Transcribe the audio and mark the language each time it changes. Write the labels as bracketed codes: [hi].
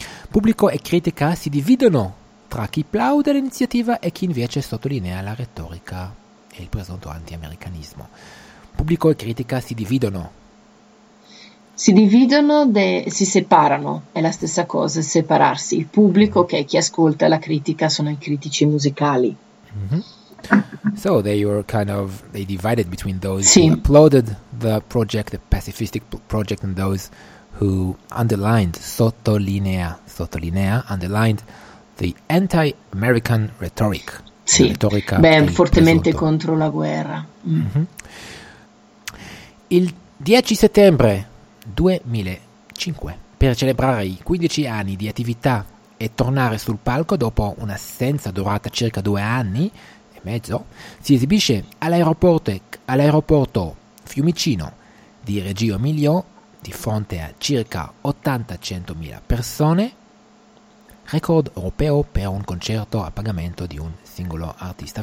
[it] Pubblico e critica si dividono tra chi plaude l'iniziativa e chi invece sottolinea la retorica e il presunto anti-americanismo. Pubblico e critica si dividono. Si dividono, si separano, è la stessa cosa, separarsi. Il pubblico, che è chi ascolta, la critica, sono i critici musicali. [en] So they were kind of, they divided between those who applauded the project, the pacifistic project, and those who underlined the anti-American rhetoric. [it] Sì, retorica, beh, fortemente presunto contro la guerra. Il 10 settembre 2005, per celebrare i 15 anni di attività e tornare sul palco dopo un'assenza durata circa 2 anni e mezzo, si esibisce all'aeroporto Fiumicino di Reggio Emilia di fronte a circa 80-100.000 persone, record europeo per un concerto a pagamento di un singolo artista.